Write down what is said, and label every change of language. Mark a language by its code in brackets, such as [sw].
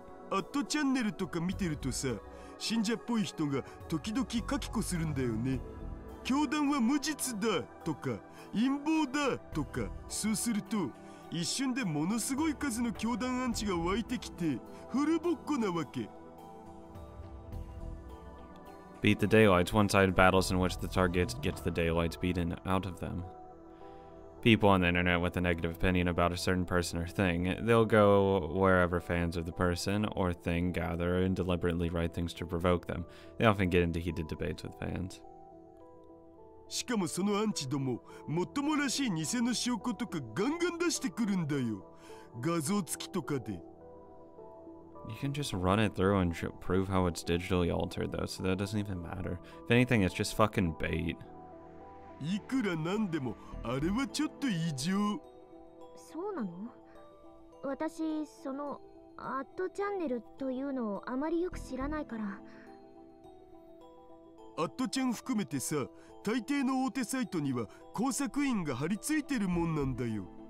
[ja] アットチャンネルとか見てるとさ、 信者っぽい人が時々書き込するんだよね。教団は無実だとか陰謀だとか、そうすると一瞬でものすごい数の教団アンチが湧いてきてフルボッコなわけ。 [en] Beat the daylights. One side battles in which the target gets the daylights beaten out of them. People on the internet with a negative opinion about a certain person or thing, they'll go wherever fans of the person or thing gather and deliberately write things to provoke them. They often get into heated debates with fans. [ja] しかもそのアンチどもも、っともらしい偽の証拠とかガンガン出してくるんだよ。画像付きとかで。 [en] You can just run it through and prove how it's digitally altered, though, so that doesn't even matter. If anything, it's just fucking bait. [ja] いくらなんでも、あれはちょっと異常。そうなの？私、その、アットチャンネルというのをあまりよく知らないから。アットちゃん含めてさ、大抵の大手サイトには工作員が張り付いてるもんなんだよ。